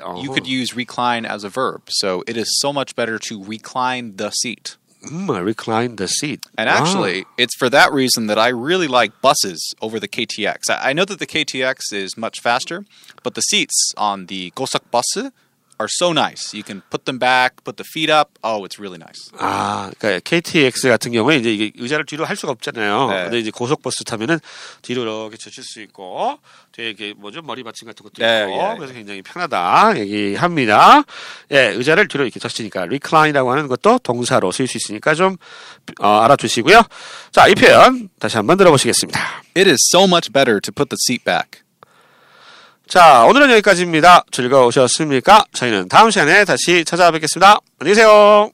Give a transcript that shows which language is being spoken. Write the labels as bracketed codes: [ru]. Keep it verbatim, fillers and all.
[en] Uh-huh. You could use recline as a verb. So it is so much better to recline the seat. Mm, recline the seat. And actually, wow. It's for that reason that I really like buses over the K T X. I, I know that the K T X is much faster, but the seats on the Gosak bus are so nice. You can put them back, put the feet up. Oh, it's really nice. [ko] 아, 그러니까 케이티엑스 같은 경우에 이제 이게 의자를 뒤로 할 수가 없잖아요. 네. 근데 이제 고속버스 타면은 뒤로 이렇게 젖힐 수 있고, 되게 뭐죠 머리 받침 같은 것도 네, 있고, 예, 그래서 예. 굉장히 편하다 얘기합니다. 예, 의자를 뒤로 이렇게 젖히니까 recline이라고 하는 것도 동사로 쓰일 수 있으니까 좀 어, 알아두시고요. 자, 이 표현 다시 한번 들어보시겠습니다. It is so much better to put the seat back. 자, 오늘은 여기까지입니다. 즐거우셨습니까? 저희는 다음 시간에 다시 찾아뵙겠습니다. 안녕히 계세요.